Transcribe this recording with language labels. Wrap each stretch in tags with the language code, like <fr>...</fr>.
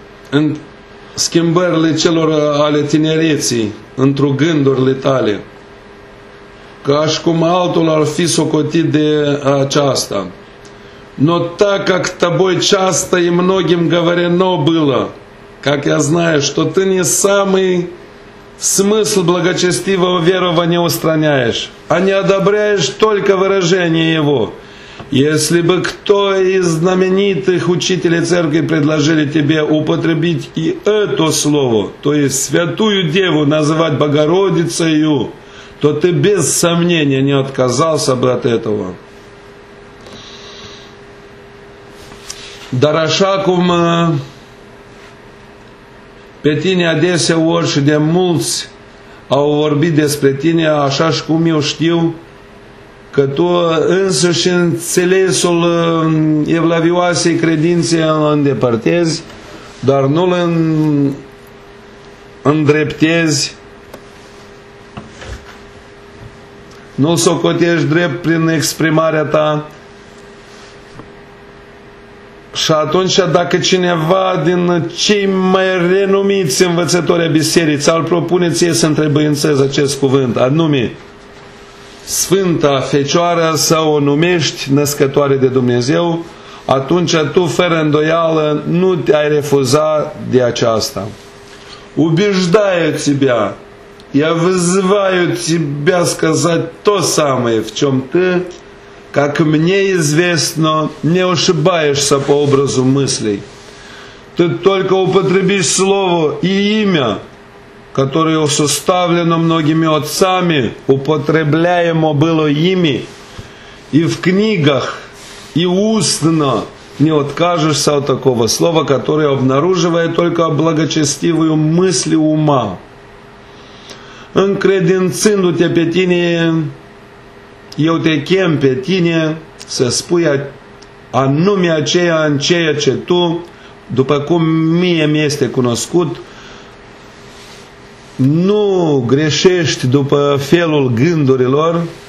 <ro>în schimbările celor ale tinereții, întru gândurile tale, ca și cum altul ar fi socotit de aceasta.</ro> <ru>Но так как тобой часто и многим говорено было, как я знаю, что ты не самый смысл благочестивого верования устраняешь, а не одобряешь только выражение его. Если бы кто из знаменитых учителей церкви предложили тебе употребить и это слово, то есть святую деву называть Богородицею, то ты без сомнения не отказался бы от этого.</ru> <ro>Dar așa cum pe tine adeseori și de mulți au vorbit despre tine, așa și cum eu știu că tu însuși înțelesul evlavioasei credințe îl îndepărtezi, dar nu îl îndreptezi Nu-l socotești drept prin exprimarea ta. Și atunci, dacă cineva din cei mai renumiți învățători ai bisericii îl propune ție să întrebăințezi acest cuvânt, anume, Sfânta Fecioară sau o numești Născătoare de Dumnezeu, atunci tu, fără îndoială, nu te-ai refuza de aceasta.</ro> <ru>Убеждаю тебя, я вызываю тебя сказать то самое, в чем ты, как мне известно, не ошибаешься по образу мыслей. Ты только употребишь слово и имя, которое составлено многими отцами, употребляемо было ими, и в книгах, и устно, не откажешься от такого слова, которое обнаруживает только благочестивую мысль ума.</ru> <ro>Încredințându-te pe tine, eu te chem pe tine să spui anume aceea în ceea ce tu, după cum mie mi-este cunoscut, nu greșești după felul gândurilor,</ro>